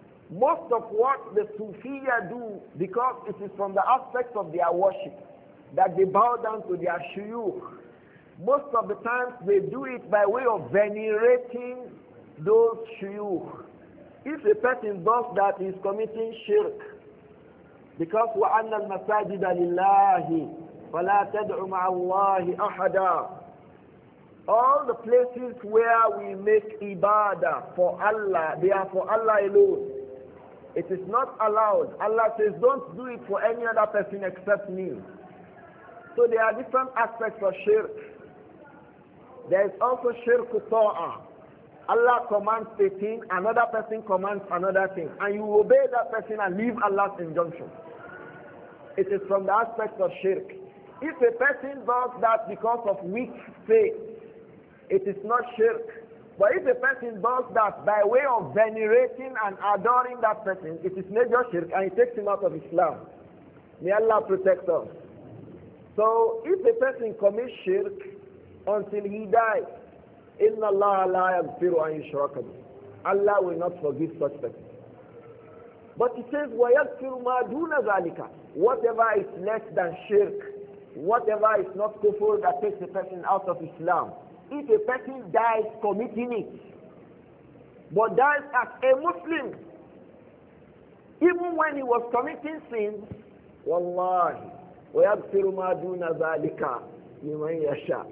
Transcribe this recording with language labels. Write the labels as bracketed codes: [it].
[en] Most of what the Sufiya do, because it is from the aspect of their worship, that they bow down to their shuyukh, most of the times they do it by way of venerating those shuyukh. If a person does that, he is committing shirk. Because [ar] وَأَنَّ الْمَسَاجِدَ لِلَّهِ فَلَا تَدْعُ مَعَ اللَّهِ أَحَدًا. [en] All the places where we make ibadah for Allah, they are for Allah alone. It is not allowed. Allah says, don't do it for any other person except me. So there are different aspects of shirk. There is also shirk ta'ah. Allah commands a thing, another person commands another thing, and you obey that person and leave Allah's injunction. It is from the aspect of shirk. If a person does that because of weak faith, it is not shirk. But if a person does that by way of venerating and adoring that person, it is major shirk and it takes him out of Islam. May Allah protect us. So if a person commits shirk until he dies, [ar] إِنَّ اللَّهَ لَا يَغْفِرُ أَنْ يُشْرَكَ بِهِ. [en] Allah will not forgive such person. But he says, [ar] وَيَغْفِرُ مَا دُونَ ذَلِكَ. [en] Whatever is less than shirk, whatever is not kufur that takes a person out of Islam. If a person dies committing it, but dies as a Muslim, even when he was committing sins, wallahi, [ar] وَيَغْفِرُ مَا دُونَ ذَلِكَ لِمَنْ يَشَاءُ.